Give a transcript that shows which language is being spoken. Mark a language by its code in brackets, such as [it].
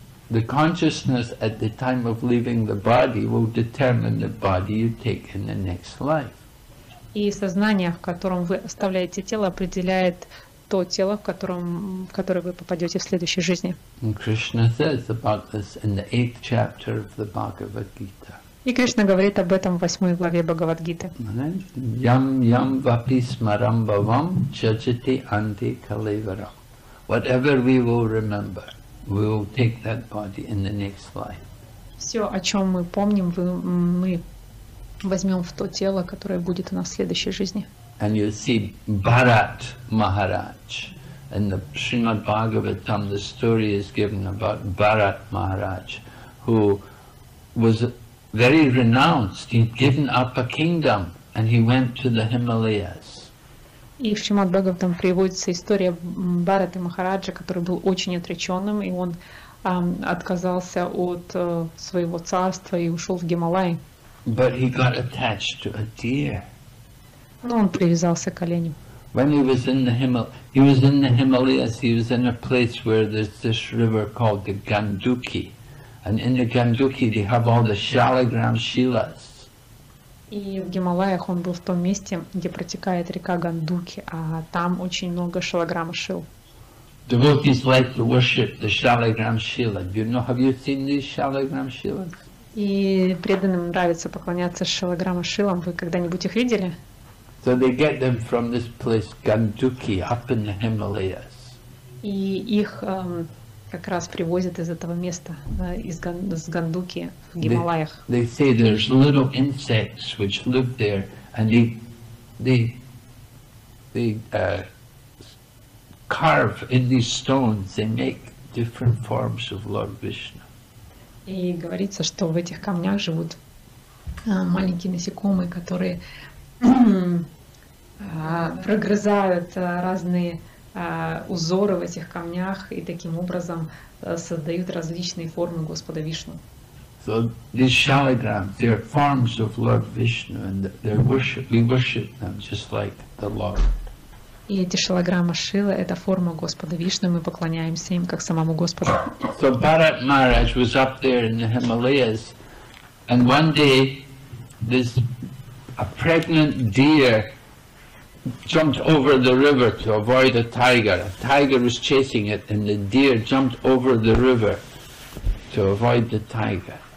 [en] The consciousness at the time of leaving the body will determine the body you take in the next life. [ru] И сознание, в котором вы оставляете тело, определяет то тело, в которое вы попадете в следующей жизни. [en] And Krishna says about this in the 8th chapter of the Bhagavad Gita. [ru] И Кришна говорит об этом в 8 главе Бхагавад-гиты. [sa] Ям ям вапи смарам бхавам чаджати анти калевара. [en] Whatever we will remember, we will take that body in the next life. [ru] Все, о чем мы помним, мы возьмем в то тело, которое будет у нас в следующей жизни. [en] And you see Bharat Maharaj. In the Srimad Bhagavatam, the story is given about Bharat Maharaj, who was very renounced. He'd given up a kingdom and he went to the Himalayas. [ru] И в Шримад Бхагаватам приводится история Бхараты Махараджа, который был очень отреченным, и он отказался от своего царства и ушел в Гималаи. [en] But he got attached to a deer. [ru] Но он привязался к оленю. [en] When he was in the Himalayas, he was in a place where there's this river called the Ganduki. And in the Ganduki they have all the Shaligram Shilas. [ru] И в Гималаях он был в том месте, где протекает река Гандуки, а там очень много Шалаграма Шил. [en] Devotees like to worship the Shaligram Shila. Have you seen these Shaligram Shilas? [ru] И преданным нравится поклоняться Шалаграма Шилам. Вы когда-нибудь их видели? [en] So they get them from this place Ganduki up in the Himalayas. [ru] И их как раз привозят из этого места, из Гандуки в Гималаях. [en] They say there's little insects which live there and they carve in these stones, they make different forms of Lord Vishnu. [ru] И говорится, что в этих камнях живут маленькие насекомые, которые прогрызают разные узоры в этих камнях и таким образом создают различные формы Господа Вишну. [en] So these shaligrams, they're forms of Lord Vishnu, and we worship them just like the Lord. [ru] И эти шалограммы Шила — это форма Господа Вишну, мы поклоняемся им как самому Господу. [en] So Bharat Maharaj was up there in the Himalayas, and one day this a pregnant deer jumped over the river to avoid a tiger. A tiger was chasing it, and the deer jumped over the river to avoid the tiger.